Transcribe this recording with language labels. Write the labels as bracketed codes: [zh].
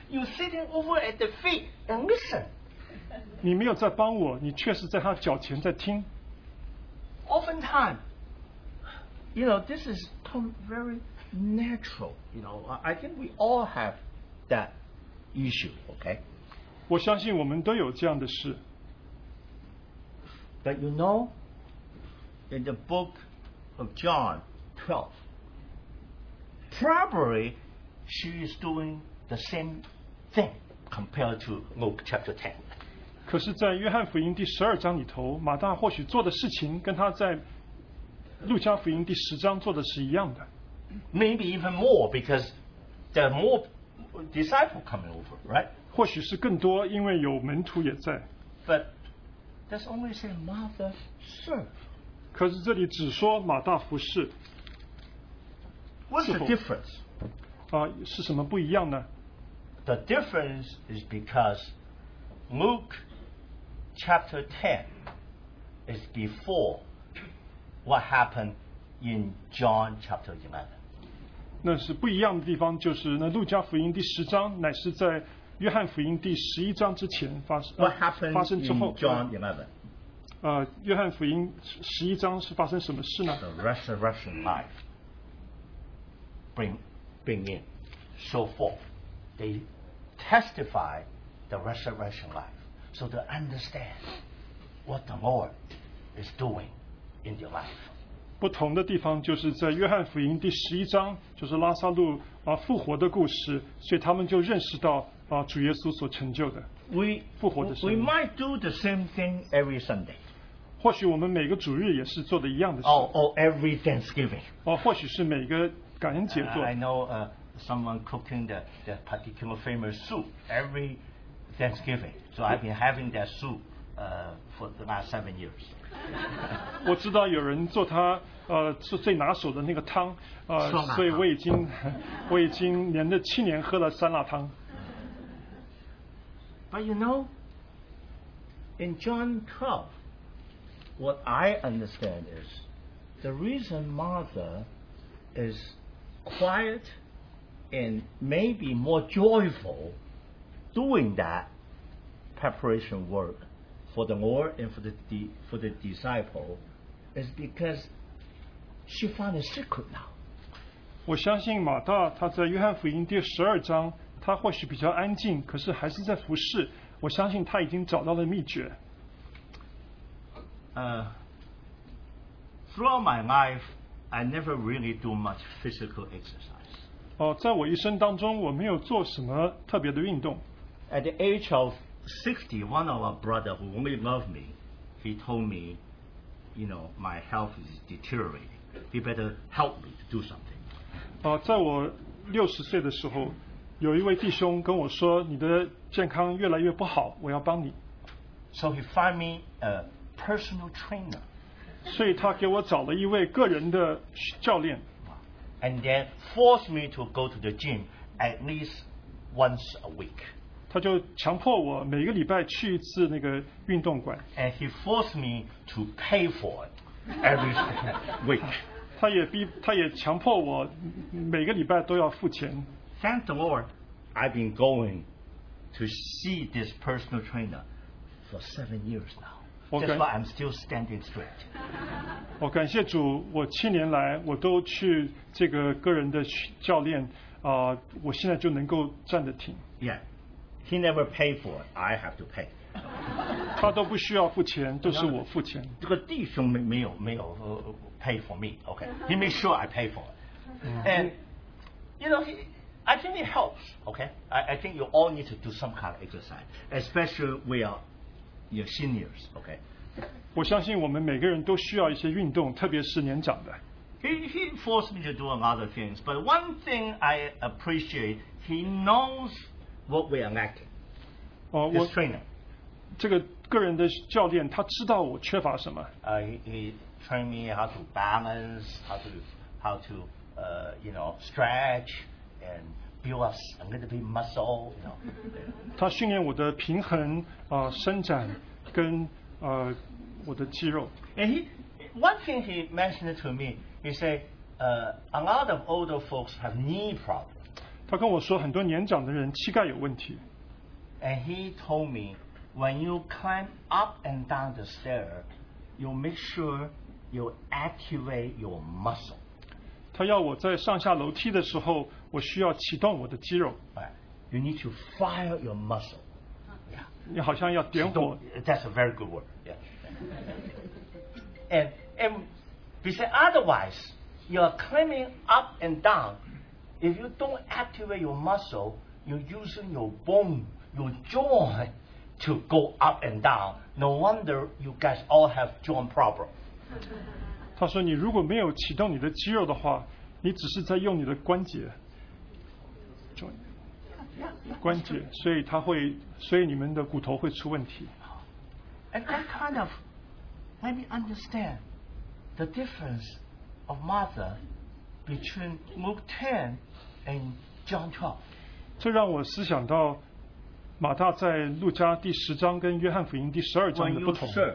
[en] You're sitting over at the feet and listen. [zh] 你没有在帮我，你确实在他脚前在听。 [en] Oftentimes, you know, this is very natural. You know, I think we all have that issue. Okay. [zh] 我相信我们都有这样的事。 [en] But you know, in the book of John 12, probably she is doing the same thing compared to Luke chapter 10. [zh] 可是在约翰福音第十二章里头，马大或许做的事情跟他在路加福音第十章做的是一样的。 [en] Maybe even more because there are more disciples coming over, right? [zh] 或许是更多，因为有门徒也在。 [en] But that's only say Martha serve. [zh] 可是这里只说马大服侍。 [en] What's the difference? [zh] 是什么不一样呢？ [en] The difference is because Luke chapter 10 is before what happened in John chapter 11. [zh] 那是不一样的地方，就是那路加福音第十章乃是在约翰福音第十一章之前发生之后。 [en] John 11. [zh] 约翰福音十一章是发生什么事呢？ [en] The resurrection life bring in. So forth, they testify the resurrection life, so they understand what the Lord is doing in their life. [zh] 不同的地方就是在约翰福音第十一章，就是拉撒路复活的故事，所以他们就认识到主耶稣所成就的复活的事。 [en] we might do the same thing every Sunday. [zh] 或许我们每个主日也是做的一样的事。 [en] every Thanksgiving. [zh] 或许是每个感恩节做。 [en] I know someone cooking the particular famous soup every Thanksgiving. So I've been having that soup for the last 7 years. [zh] 我知道有人做他是最拿手的那个汤，所以我已经连着七年喝了酸辣汤。 [en] But you know, in John 12, what I understand is the reason Martha is quiet and maybe more joyful doing that preparation work for the Lord and for the disciple is because she found a secret now. [zh] 我相信马大他在约翰福音第十二章，他或许比较安静，可是还是在服侍。我相信他已经找到了秘诀。 [en] Throughout my life, I never really do much physical exercise. [zh] 在我一生当中，我没有做什么特别的运动。 [en] At the age of 60, one of our brother who really loved me, he told me, you know, my health is deteriorating. He better help me to do something. [zh] 在我60岁的时候，有一位弟兄跟我说，你的健康越来越不好，我要帮你。 [en] So he find me a personal trainer. [zh] 所以他给我找了一位个人的教练。 [en] And then force me to go to the gym at least once a week. [zh] 他就强迫我每个礼拜去一次那个运动馆。 [en] And he forced me to pay for it every week. [zh] 他也强迫我每个礼拜都要付钱。 [en] Thank the Lord, I've been going to see this personal trainer for 7 years now. That's why I'm still standing straight. [zh] 我感谢主，我七年来我都去这个个人的教练，我现在就能够站得挺。 [en] Yeah, he never paid for it. I have to pay. [zh] 他都不需要付钱，都是我付钱。这个弟兄没有 [en] pay for me. Okay, he made sure I pay for it. And you know I think it helps, okay? I think you all need to do some kind of exercise, especially we are your seniors, okay? [zh] 我相信我们每个人都需要一些运动，特别是年长的。 [en] He forced me to do a lot of things, but one thing I appreciate, he knows what we are lacking. This trainer. [zh] 这个个人的教练他知道我缺乏什么。 [en] He trained me how to balance, how to you know, stretch and build up a little bit muscle, you know. [zh] 他训练我的平衡伸展跟我的肌肉。 [en] And one thing he mentioned to me, he said, a lot of older folks have knee problems. [zh] 他跟我说很多年长的人膝盖有问题。 [en] And he told me, when you climb up and down the stair, you make sure you activate your muscle. [zh] 他要我在上下楼梯的时候，我需要启动我的肌肉。 [en] Right. You need to fire your muscle. Yeah. [zh] 你好像要点火。 [en] That's a very good word. Yeah. And besides otherwise, you're climbing up and down. If you don't activate your muscle, you're using your bone, your joint. To go up and down. No wonder you guys all have joint problem. [zh] 他说你如果没有启动你的肌肉的话，你只是在用你的关节。 [en] Joint. [zh] 关节，所以他会，所以你们的骨头会出问题。 [en] And that kind of made me understand the difference of Martha between Luke 10 and John 12. [zh] 这让我思想到马大在路加第十章跟约翰福音第十二章的不同。